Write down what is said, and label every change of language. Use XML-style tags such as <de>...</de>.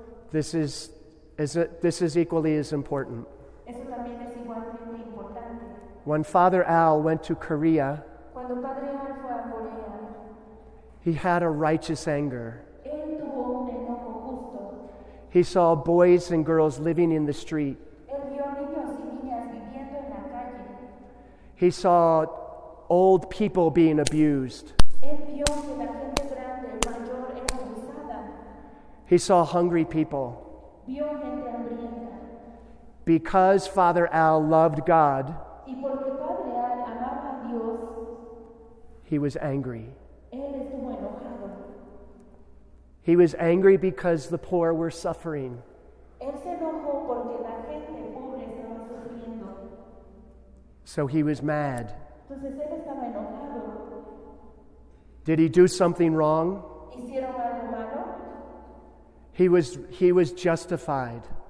<en>This is equally as important.</en> <es>Eso también es igualmente importante.</es> <en>When Father Al went to Korea,</en> <es>cuando Padre Al fue a Corea,</es> <en>he had a righteous anger.</en> <es>Él tuvo un enojo justo.</es> <en>He saw boys and girls living in the street.</en> <es>Él vio niños y niñas viviendo en la calle.</es> <en>He saw old people being abused.</en> <es>Él vio que la gente grande, mayor, era abusada.</es> <en>He saw hungry people.</en> <es>Vio gente hambrienta.</es> <en>Because Father Al loved God,</en> <es>y porque Padre Al amaba a Dios,</es> <en>he was angry.</en> <es>Él estuvo enojado.</es> <en>He was angry because the poor were suffering.</en> <es>Él se enojó porque la gente pobre estaba sufriendo.</es> <en>So he was mad.</en> <es>Entonces, él estaba enojado.</es> <en>Did he do something wrong?</en> <es>¿Hicieron algo malo?</es> <en>He was justified.</en>